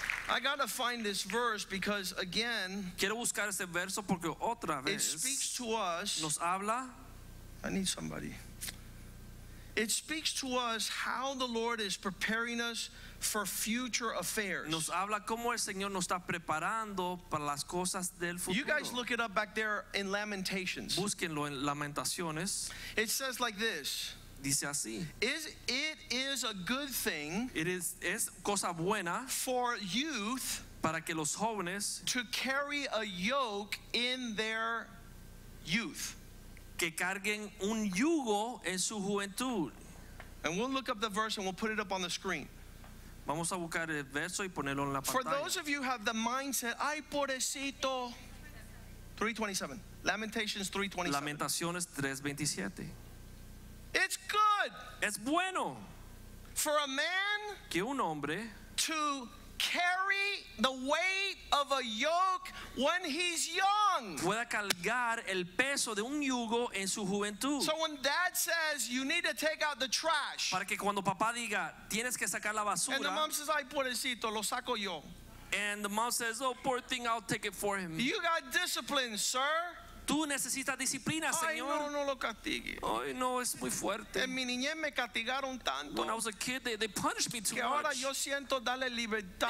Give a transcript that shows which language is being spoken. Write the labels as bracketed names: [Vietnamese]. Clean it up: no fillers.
[English] I got to find this verse because again, [Spanish] quiero buscar ese verso porque otra vez, [English] it speaks to us. [Spanish] Nos habla. [English] I need somebody. It speaks to us how the Lord is preparing us for future affairs. [Spanish] Nos habla cómo el Señor nos está preparando para las cosas del futuro. [English] You guys look it up back there in Lamentations. [Spanish] Búsquenlo en Lamentaciones. [English] It says like this. [Spanish] Dice así. [English] It is a good thing. [Spanish] Es cosa buena. [English] For youth. [Spanish] Para que los jóvenes. [English] To carry a yoke in their youth. [Spanish] Que carguen un yugo en su juventud. [English] And we'll look up the verse and we'll put it up on the screen. [Spanish] Vamos a buscar el verso y ponerlo en la pantalla. [English] For those of you who have the mindset, [Spanish] ay pobrecito. [English] 3:27. Lamentations 3:27. [Spanish] Lamentaciones 3:27. [English] It's good. [Spanish] Es bueno. [English] For a man. [Spanish] Que un hombre. [English] To carry the weight of a yoke when he's young. [Spanish] Pueda cargar el peso de un yugo en su juventud. [English] So when dad says you need to take out the trash. [Spanish] Para que cuando papá diga tienes que sacar la basura. [English] And the mom says, [Spanish] ay pobrecito, lo saco yo. [English] And the mom says, oh poor thing, I'll take it for him. You got discipline, sir. [Spanish] Tú necesitas disciplina, señor. Ay, no lo castigue. Ay, no, es muy fuerte. En mi niñez me castigaron tanto. [English] When I was a kid, they punished me too [Spanish] que [English] much. [Spanish] Ahora yo siento darle libertad.